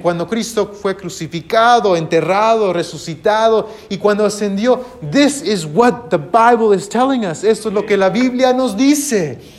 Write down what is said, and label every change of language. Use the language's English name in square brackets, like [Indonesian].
[Spanish] Cuando Cristo fue crucificado, enterrado, resucitado, y cuando ascendió. [English] This is what the Bible is telling us. [Spanish] Esto es lo que la Biblia nos dice.